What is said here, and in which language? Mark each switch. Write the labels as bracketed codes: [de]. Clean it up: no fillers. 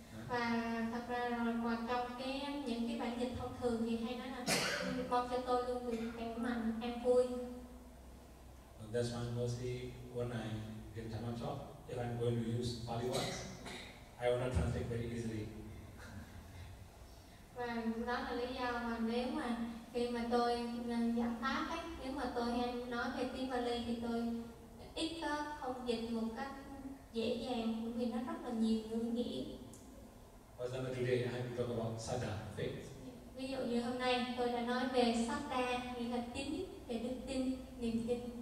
[vi] Và thật ra là trong những cái bản dịch thông thường thì hay nói là mong cho tôi luôn được khỏe mạnh, em vui. [en] And that's why mostly when I get Dhamma talk, if I'm going to use Pali words, I will not translate very easily. [vi] Và đó là lý do mà nếu mà khi mà tôi giảng pháp ấy, nếu mà tôi hay nói về tiếng Pali thì tôi ít có không dịch một cách dễ dàng vì nó rất là nhiều ngữ nghĩa. [en] For example, today I have to talk about Sada, faith. [vi] Ví dụ như hôm nay tôi đã nói về Sada, nghĩa là tín, về đức tin, niềm tin.